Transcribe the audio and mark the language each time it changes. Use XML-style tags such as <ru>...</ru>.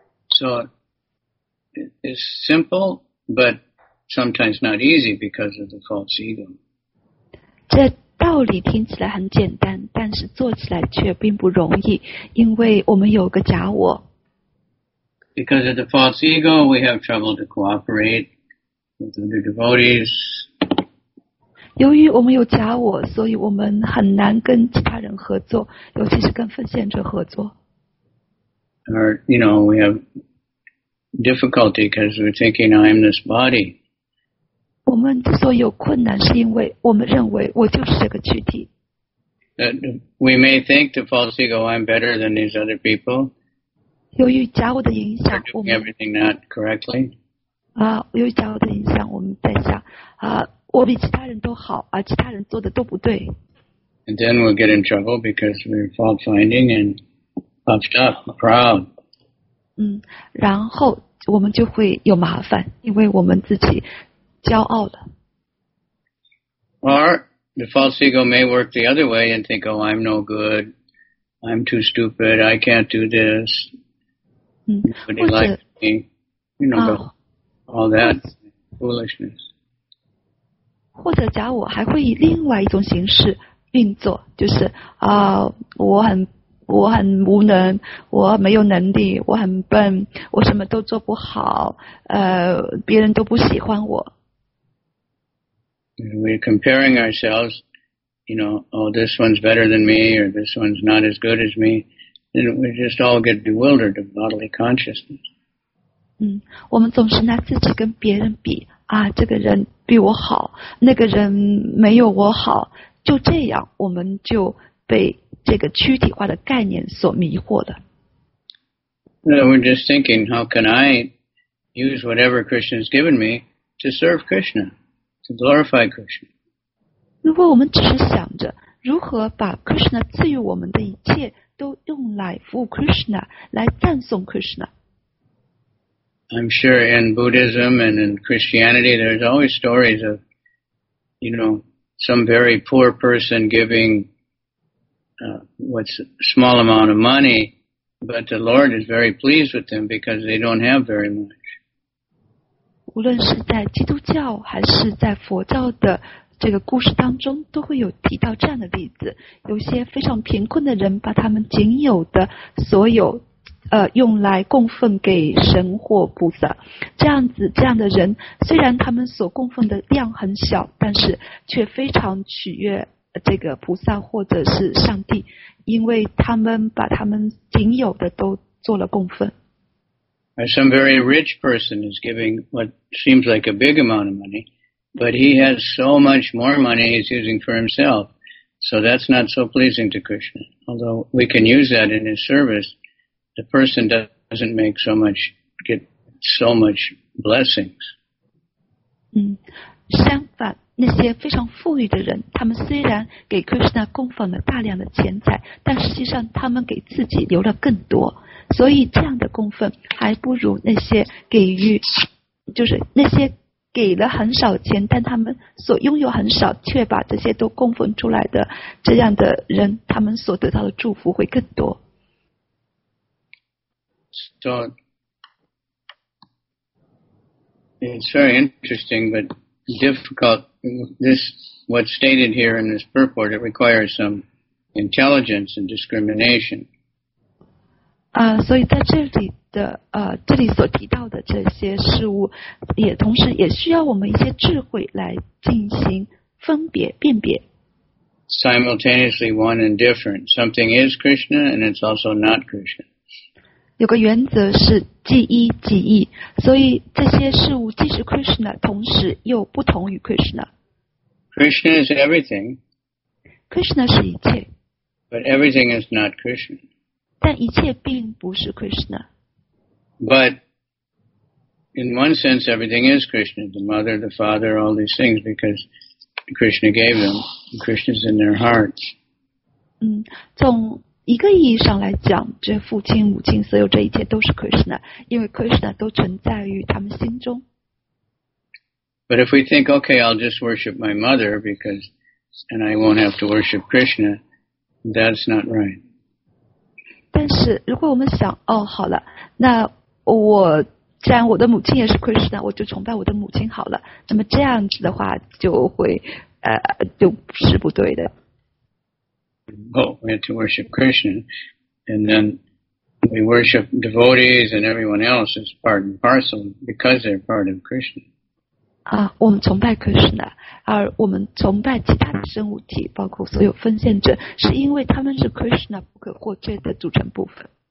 <en>So it's simple, but sometimes not easy because of the false ego.</en> <zh>这道理听起来很简单，但是做起来却并不容易，因为我们有个假我。</zh> <en>Because of the false ego, we have trouble to cooperate with other devotees.</en> <zh>由于我们有假我，所以我们很难跟其他人合作，尤其是跟奉献者合作。</zh> <en>Or, you know, we have difficulty because we're thinking I am this body.</en> <zh>我们之所以有困难，是因为我们认为我就是这个躯体。</zh> <en>We may think the false ego I'm better than these other people.</en> <zh>由于假我的影响，我们</zh> <en>everything not correctly.</en> <zh>由于假我的影响，我们在想我比其他人都好，而其他人做的都不对。</zh> <en>And then we'll get in trouble because we're fault finding and puffed up, proud.</en> <zh>然后我们就会有麻烦，因为我们自己骄傲了。</zh> <en>Or the false ego may work the other way and think, oh, I'm no good, I'm too stupid, I can't do this. Nobody likes me. You know, all that foolishness.</en> <zh>或者假我还会以另外一种形式运作，就是我很无能，我没有能力，我很笨，我什么都做不好，别人都不喜欢我。</zh> <en>We're comparing ourselves, you know, oh, this one's better than me, or this one's not as good as me, and we just all get bewildered of bodily consciousness.</en> <zh>我们总是拿自己跟别人比啊，这个人比我好，那个人没有我好，就这样我们就被这个躯体化的概念所迷惑了。</zh> <en>No, we're just thinking, how can I use whatever Krishna's given me to serve Krishna, to glorify Krishna?</en> <zh>如果我们只是想着如何把 Krishna 赐予我们的一切都用来服务 Krishna, 来赞颂 Krishna。</zh> <en>I'm sure in Buddhism and in Christianity, there's always stories of, you know, some very poor person giving, what's a small amount of money, but the Lord is very pleased with them because they don't have very much.</en> <zh>无论是在基督教还是在佛教的这个故事当中，都会有提到这样的例子，有些非常贫困的人把他们仅有的所有用来供奉给神或菩萨，这样子，这样的人虽然他们所供奉的量很小，但是却非常取悦这个菩萨或者是上帝，因为他们把他们仅有的都做了供奉。</zh> <en>Some very rich person is giving what seems like a big amount of money, but he has so much more money he's using for himself, so that's not so pleasing to Krishna. Although we can use that in his serviceThe person doesn't make so much, get so much blessings.</en> <zh>相反，那些非常富裕的人，他们虽然给 Krishna 供奉了大量的钱财，但实际上他们给自己留了更多。所以这样的供奉还不如那些给予，就是那些给了很少钱，但他们所拥有很少，却把这些都供奉出来的这样的人，他们所得到的祝福会更多。</zh> <en>So, it's very interesting, but difficult. This, what's stated here in this purport, it requires some intelligence and discrimination.</en> <zh>所以在这里的这里所提到的这些事物，也同时也需要我们一些智慧来进行分别辨别。</zh> <en>Simultaneously one and different. Something is Krishna and it's also not Krishna.</en> <zh>有个原则是即一即义，所以这些事物既是 Krishna， 同时又不同于 Krishna。</zh> <en>Krishna is everything.</en> <zh>Krishna 是一切。</zh> <en>But everything is not Krishna.</en> <zh>但一切并不是 Krishna。</zh> <en>But in one sense, everything is Krishna. The mother, the father, all these things, because Krishna gave them. Krishna's in their hearts.</en> <zh>从一个意义上来讲，这父亲母亲所有这一切都是 Krishna， 因为 Krishna 都存在于他们心中。</zh> <en>But if we think, okay, I'll just worship my mother because, and I won't have to worship Krishna, that's not right.</en> <zh>但是如果我们想，哦，好了，那我既然我的母亲也是 Krishna， 我就崇拜我的母亲好了，那么这样子的话就会就是不对的。</zh> <en>Oh, we have to worship Krishna, and then we worship devotees and everyone else as part and parcel because they're part of Krishna.</en> <zh>我们崇拜 Krishna， 而我们崇拜其他的生物体，包括所有奉献者，是因为他们是 Krishna 不可或缺的组成部分。</zh>